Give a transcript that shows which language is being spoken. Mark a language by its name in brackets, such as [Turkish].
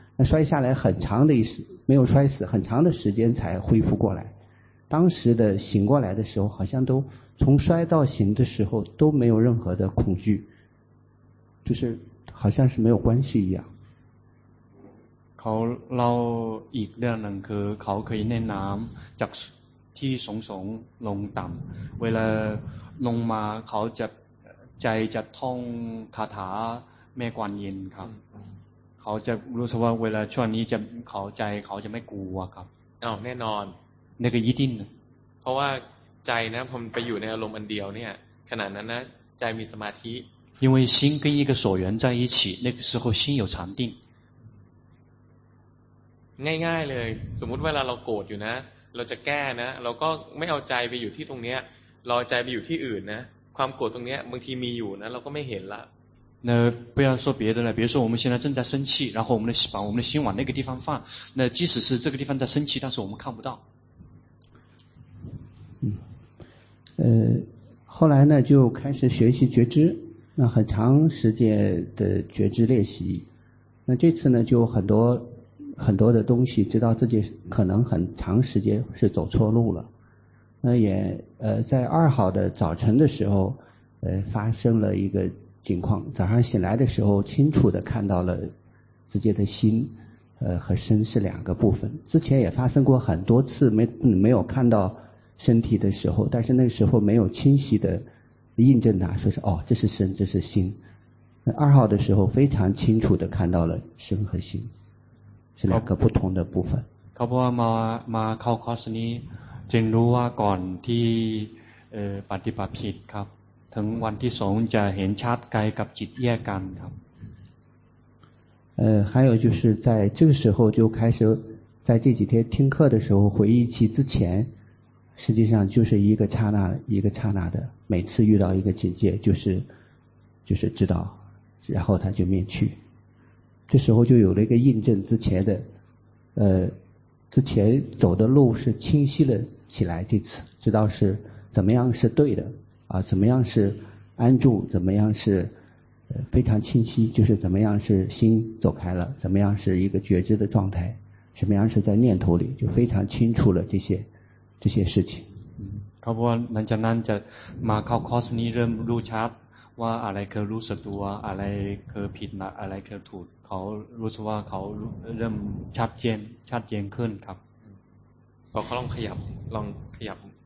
[Chinese] 那摔下来很长的一时，没有摔死，很长的时间才恢复过来。当时的醒过来的时候，好像都从摔到醒的时候都没有任何的恐惧，就是好像是没有关系一样。 [Thai] เขาเล่าอีกเรื่องหนึ่งคือเขาเคยเล่นน้ำจากที่สูงสูงลงต่ำเวลาลงมาเขาจะใจจะท่องคาถาแม่กวนอินครับเขาจะรู้สึกว่าเวลาช่วงนี้จะเขาใจเขาจะไม่กลัวครับ อ้าวแน่นอน นี่คือยี่ดิน เพราะว่าใจนะผมไปอยู่ในอารมณ์อันเดียวเนี่ยขนาดนั้นนะใจมีสมาธิ [Chinese] 因为心跟一个所缘在一起那个时候心有禅定 [Thai] ง่ายๆเลยสมมติเวลาเราโกรธอยู่นะเราจะแก้นะเราก็ไม่เอาใจไปอยู่ที่ตรงเนี้ยรอใจไปอยู่ที่อื่นนะความโกรธตรงเนี้ยบางทีมีอยู่นะเราก็ไม่เห็นละ [Chinese] 那不要说别的了，比如说我们现在正在生气，然后我们的心往那个地方放，那即使是这个地方在生气，但是我们看不到。后来呢就开始学习觉知，那很长时间的觉知练习，那这次呢就很多很多的东西知道自己可能很长时间是走错路了，那也在二号的早晨的时候，发生了一个情况，早上醒来的时候清楚的看到了自己的心和身是两个部分，之前也发生过很多次没有看到身体的时候，但是那个时候没有清晰的印证它，说是哦这是身这是心，那二号的时候非常清楚的看到了身和心是两个不同的部分。 [Thai] เขาบอกว่ามาเข้าคอร์สนี้จึงรู้ว่าก่อนที่ปฏิบัติผิดครับถึงวันที่สองจะเห็นชัดกายกับจิตแยกกันครับ [Chinese] 还有就是在这个时候就开始在这几天听课的时候回忆起之前，实际上就是一个刹那一个刹那的，每次遇到一个境界就是知道，然后它就灭去。这时候就有了一个印证，之前的之前走的路是清晰了起来，这次知道是怎么样是对的啊，怎么样是安住，怎么样是非常清晰，就是怎么样是心走开了，怎么样是一个觉知的状态，什么样是在念头里，就非常清楚了这些事情。 [Thai] เขาบอกว่าหลังจากนั้นจะมาเข้าคอร์สนี้เริ่มรู้ชัดว่าอะไรคือรู้สึกตัวอะไรคือผิดอะไรคือถูกเขารู้สึกว่าเขาเริ่มชัดเจนขึ้นครับ พอเขาลองขยับ